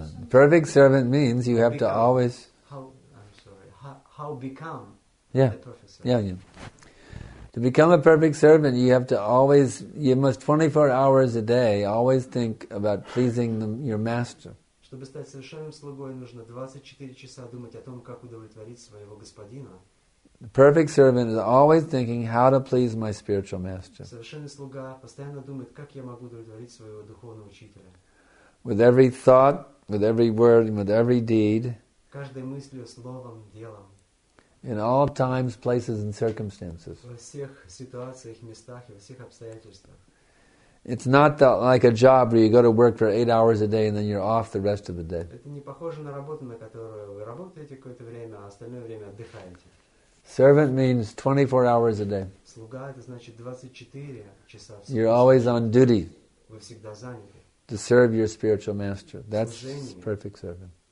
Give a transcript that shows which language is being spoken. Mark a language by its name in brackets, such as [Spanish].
[English] Perfect servant means you have become, to always. How become? Yeah. A perfect servant. Yeah. To become a perfect servant, you have to always. You must 24 hours a day always think about pleasing your master. [Russian] Чтобы стать совершенным слугой, нужно 24 часа думать о том, как удовлетворить своего господина. [English] The perfect servant is always thinking how to please my spiritual master. [Russian] Совершенный слуга постоянно думает, как я могу удовлетворить своего духовного учителя. [English] With every thought, with every word, with every deed. [Russian] Каждой мыслью, словом, делом. [English] In all times, places, and circumstances. [Russian] Во всех ситуациях, местах и во всех обстоятельствах. [English] It's not like a job where you go to work for 8 hours a day and then you're off the rest of the day. [Russian] Это не похоже на работу, на которую вы работаете какое-то время, а остальное время отдыхаете. [English] Servant means 24 hours a day. [Russian] Слуга это значит 24 часа в сутки. [English] You're always on duty. [Russian] Вы всегда заняты. [English] To serve your spiritual master. That's perfect servant.